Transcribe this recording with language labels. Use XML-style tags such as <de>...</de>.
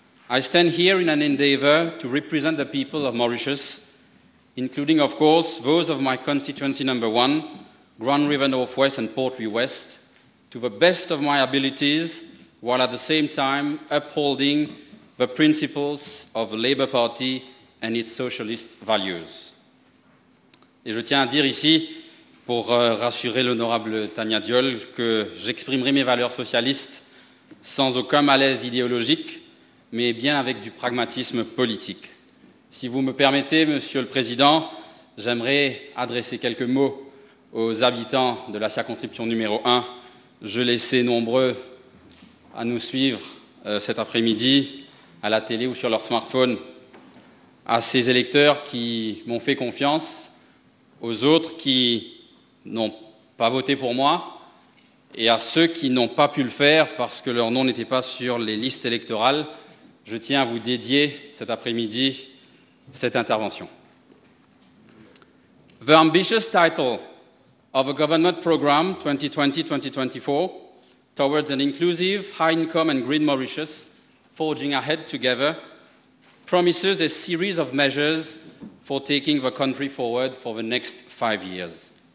<en>I stand here in an endeavour to represent the people of Mauritius, including, of course, those of my constituency number one, Grand River North West and Port Louis West, to the best of my abilities, while at the same time upholding the principles of the Labour Party and its socialist values.</en> <fr>Et je tiens à dire ici, pour rassurer l'honorable Tania Diol, que j'exprimerai mes valeurs socialistes sans aucun malaise idéologique, mais bien avec du pragmatisme politique. Si vous me permettez, Monsieur le Président, j'aimerais adresser quelques mots aux habitants de la circonscription numéro 1. Je les sais nombreux à nous suivre cet après-midi à la télé ou sur leur smartphone. À ces électeurs qui m'ont fait confiance, aux autres qui n'ont pas voté pour moi et à ceux qui n'ont pas pu le faire parce que leur nom n'était pas sur les listes électorales, je tiens à vous dédier cet après-midi cette intervention.</fr> <en>The ambitious title of a government program 2020-2024 towards an inclusive, high-income and green Mauritius forging ahead together promises a series of measures for taking the country forward for the next 5 years.</en>